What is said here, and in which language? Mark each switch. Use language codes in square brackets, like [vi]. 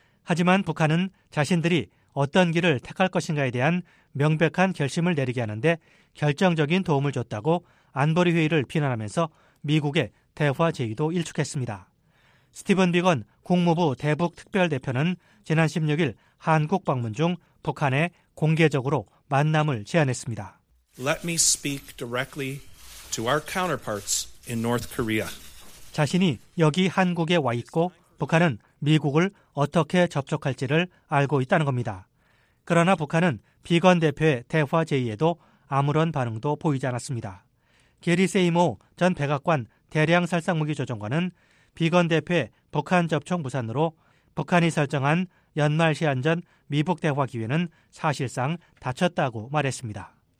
[ko] 하지만 북한은 자신들이 어떤 길을 택할 것인가에 대한 명백한 결심을 내리게 하는데 결정적인 도움을 줬다고 안보리 회의를 비난하면서 미국의 대화 제의도 일축했습니다. 스티븐 비건 국무부 대북특별대표는 지난 16일 한국 방문 중 북한에 공개적으로 만남을 제안했습니다. [en] Let me speak directly to our counterparts in North Korea. [ko] 자신이 여기 한국에 와 있고 북한은 미국을 어떻게 접촉할지를 알고 있다는 겁니다. 그러나 북한은 비건 대표의 대화 제의에도 아무런 반응도 보이지 않았습니다. 게리 세이모 전 백악관 대량살상무기 조정관은 비건 대표의 북한 접촉 무산으로 북한이 설정한 연말 시한전 미북 대화 기회는 사실상 닫혔다고 말했습니다.